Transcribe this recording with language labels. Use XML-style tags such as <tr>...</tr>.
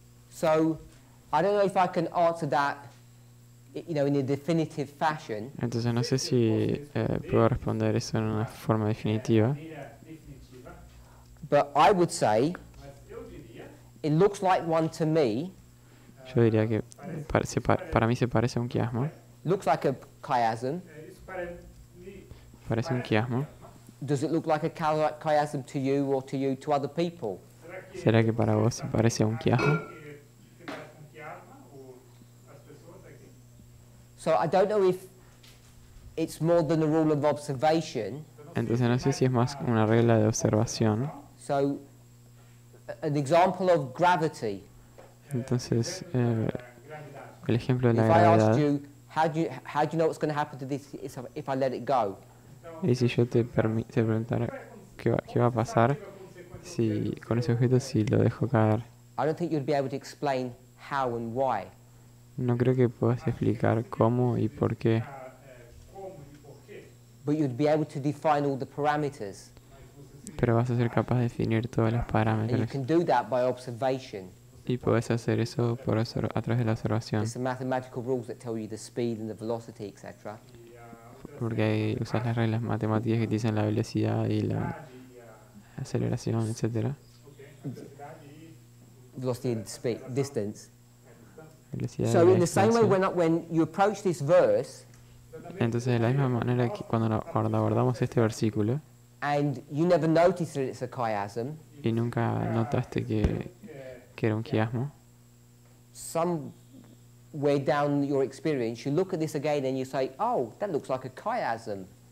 <en>So, I don't know if I can answer that you know, in a definitive fashion.</en> <es>Entonces no sé si puedo responder eso en una forma definitiva.</es> <en>But I would say it looks like one to me.</en> <es>Yo diría que para mí se parece a un quiasmo.</es> <en>Looks like a chiasm.</en> <es>Parece un quiasmo.</es> <en>Does it look like a chiasm to you or to you to other people?</en> <es>¿Será que para vos se parece a un quiasmo?</es> <en>So I don't know if it's more than a rule of observation.</en> <es>Entonces no sé si es más una regla de observación.</es> <en>So an example of gravity.</en> <es>Entonces el ejemplo de la gravedad.</es> <en>If I asked you, how do you know what's going to happen to this if I let it go?</en> <es>Y si yo te preguntara qué va a pasar si con ese objeto si lo dejo caer.</es> <en>I don't think you'd be able to explain how and why.</en> <es>No creo que puedas explicar cómo y por qué.</es> <en>But you'd be able to define all the parameters.</en> <es>Pero vas a ser capaz de definir todos los parámetros.</es> <en>And you can do that by observation.</en> <es>Y puedes hacer eso por a través de la observación.</es> <en>There's some mathematical rules that tell you the speed and the velocity, etc.</en> <es>Porque ahí usas las reglas matemáticas que te dicen la velocidad y la aceleración, etc.</es> <en>Velocity and speed, distance.</en> <es>Velocidad</es> <en>so in the same way when you approach this verse,</en> <es>entonces de la misma manera que cuando abordamos este versículo,</es> <en>and you never noticed that it's a chiasm,</en> <es>y nunca notaste que era un quiasmo,</es> <en>somewhere down your experience, you look at this again and you say, oh, that looks like a chiasm.</en>